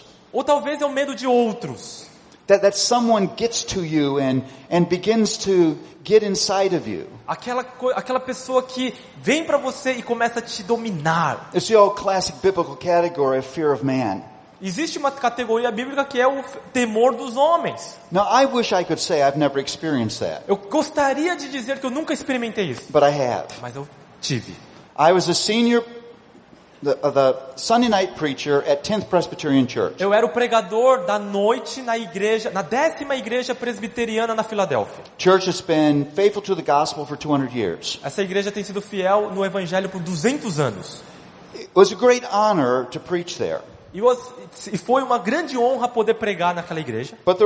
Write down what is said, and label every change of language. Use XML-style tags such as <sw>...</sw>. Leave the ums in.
<pt>Ou talvez é o medo de outros</pt> <en>that, someone gets to you and, and, begins to get inside of you.</en> <pt>Aquela, aquela pessoa que vem para você e começa a te dominar. It's the old classic biblical category of fear of man. Existe uma categoria bíblica que é o temor dos homens.</pt> <en>Now, I wish I could say I've never experienced that.</en> <pt>Eu gostaria de dizer que eu nunca experimentei isso.</pt> <en>But I have.</en> <pt>Mas eu tive.</pt> <en>I was a senior The, the, Sunday night preacher at 10th Presbyterian Church.</en> <pt>Eu era o pregador da noite na igreja, na décima igreja presbiteriana na Filadélfia.</pt> <en>Church has been faithful to the gospel for 200 years.</en> <pt>Essa igreja tem sido fiel no evangelho por 200 anos.</pt> <en>It was a great honor to preach there.</en> <pt>E foi uma grande honra poder pregar naquela igreja.</pt>